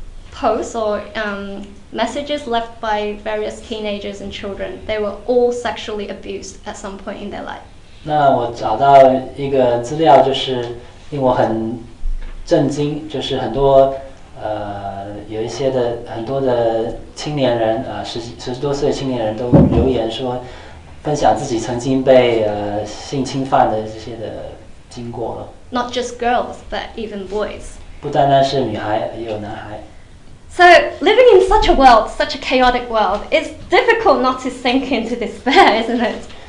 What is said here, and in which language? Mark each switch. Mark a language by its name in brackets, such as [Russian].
[English] Posts or messages left by various teenagers and children. They were all sexually abused at some point in their life. [Chinese] 那我找到一个资料，就是令我很震惊，就是很多有一些的很多的青年人十多岁的青年人都留言说，分享自己曾经被性侵犯的这些的经过。 [English] Not just girls, but even boys. [Chinese] 不单单是女孩，也有男孩。 [English] So living in such a world, such a chaotic world, it's difficult not to sink into despair, isn't it?